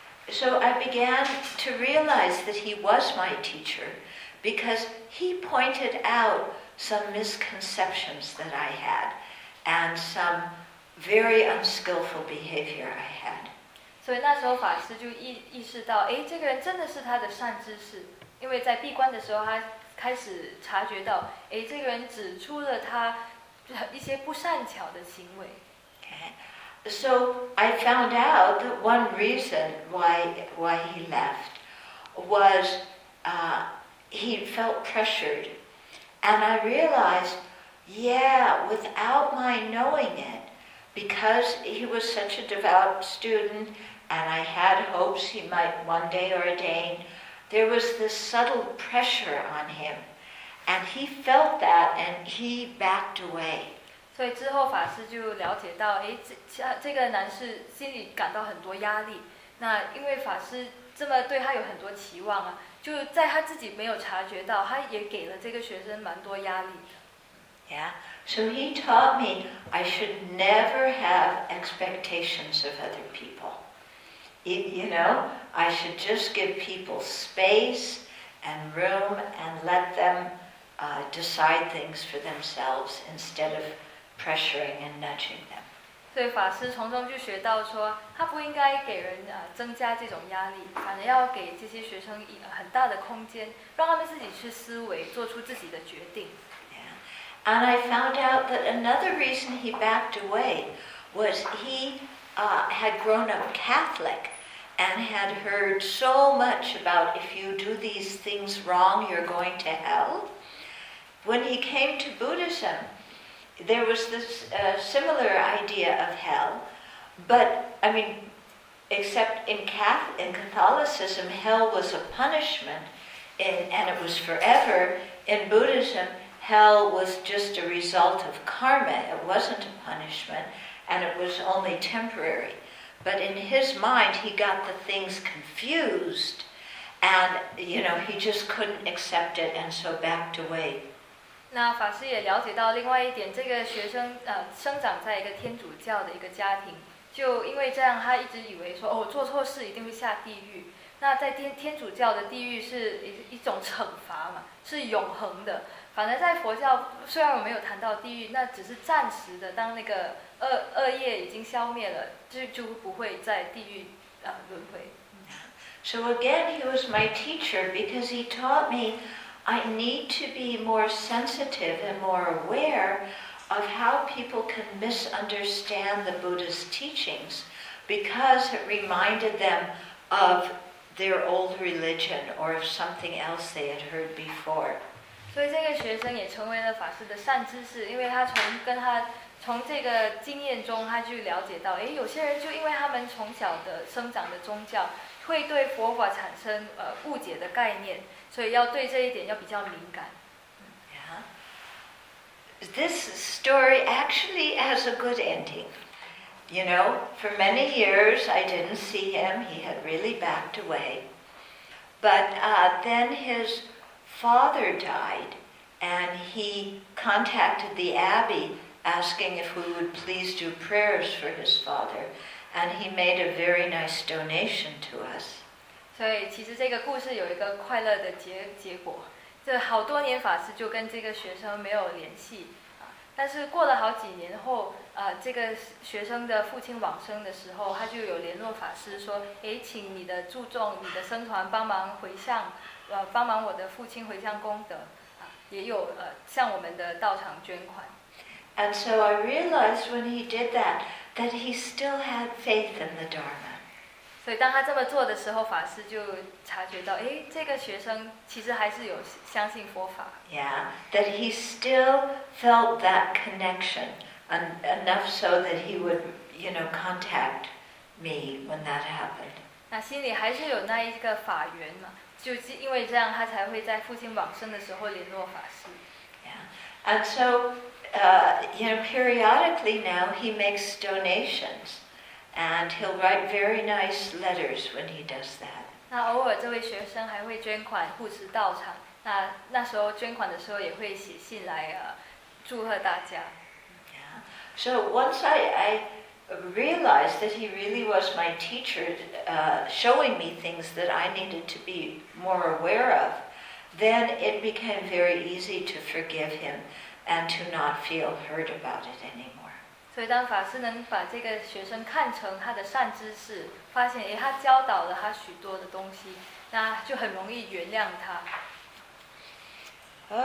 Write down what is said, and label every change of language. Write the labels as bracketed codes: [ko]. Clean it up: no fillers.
[en] So I began to realize that he was my teacher because he pointed out some misconceptions that I had and some very unskillful behavior I had. [zh] So 那时候法师就意识到，哎，这个人真的是他的善知识，因为在闭关的时候，他开始察觉到，哎，这个人指出了他一些不善巧的行为。 [en] So I found out that one reason why he left was he felt pressured. And I realized, yeah, without my knowing it, because he was such a devout student and I had hopes he might one day ordain, there was this subtle pressure on him. And he felt that and he backed away. [zh] 所以之后法师就了解到，哎，这个男士心里感到很多压力。那因为法师这么对他有很多期望啊，就在他自己没有察觉到，他也给了这个学生蛮多压力。 [en] Yeah, so he taught me I should never have expectations of other people. You know, I should just give people space and room and let them decide things for themselves instead of pressuring and nudging them. [zh] 所以法师从中就学到说，他不应该给人增加这种压力，反而要给这些学生很大的空间，让他们自己去思维，做出自己的决定。 [en] Yeah. And I found out that another reason he backed away was he had grown up Catholic and had heard so much about if you do these things wrong, you're going to hell. When he came to Buddhism,There was this similar idea of hell, but I mean, except in Catholicism, hell was a punishment, and it was forever. In Buddhism, hell was just a result of karma. It wasn't a punishment, and it was only temporary. But in his mind, he got the things confused, and you know, he just couldn't accept it, and so backed away. [zh] 那法师也了解到另外一点，这个学生生长在一个天主教的一个家庭，就因为这样，他一直以为说，哦，做错事一定会下地狱。那在天主教的地狱是一种惩罚嘛，是永恒的。反而在佛教，虽然我没有谈到地狱，那只是暂时的，当那个恶业已经消灭了，就不会在地狱轮回。 [en] So again, he was my teacher because he taught me. I need to be more sensitive and more aware of how people can misunderstand the Buddha's teachings because it reminded them of their old religion or of something else they had heard before. [zh] 所以这个学生也成为了法师的善知识，因为他从这个经验中，他就了解到，哎，有些人就因为他们从小的生长的宗教，会对佛法产生误解的概念。所以要对这一点要比较敏感。 [en] Yeah. This story actually has a good ending. You know, for many years I didn't see him. He had really backed away. But then his father died and he contacted the abbey asking if we would please do prayers for his father. And he made a very nice donation to us. [zh] 对，其实这个故事有一个快乐的结果。这好多年法师就跟这个学生没有联系，但是过了好几年后，这个学生的父亲往生的时候，他就有联络法师说，哎，请你的注众、你的僧团帮忙回向，帮忙我的父亲回向功德，也有向我们的道场捐款。 [en] And so I realized when he did that, that he still had faith in the Dharma. [zh] 所以当他这么做的时候，法师就察觉到，哎，这个学生其实还是有相信佛法。 [en] Yeah, that he still felt that connection, enough so that he would, you know, contact me when that happened. [zh] 那心里还是有那一个法缘嘛，就因为这样，他才会在父亲往生的时候联络法师。 [en] Yeah, and so, you know, periodically now he makes donations. And he'll write very nice letters when he does that. [zh] 那偶尔这位学生还会捐款护持道场。那时候捐款的时候也会写信来祝贺大家。 [en] Yeah. So once I realized that he really was my teacher, showing me things that I needed to be more aware of, then it became very easy to forgive him and to not feel hurt about it anymore. [zh] 所以当法师能把这个学生看成他的善知识，发现他教导了他许多的东西，那就很容易原谅他。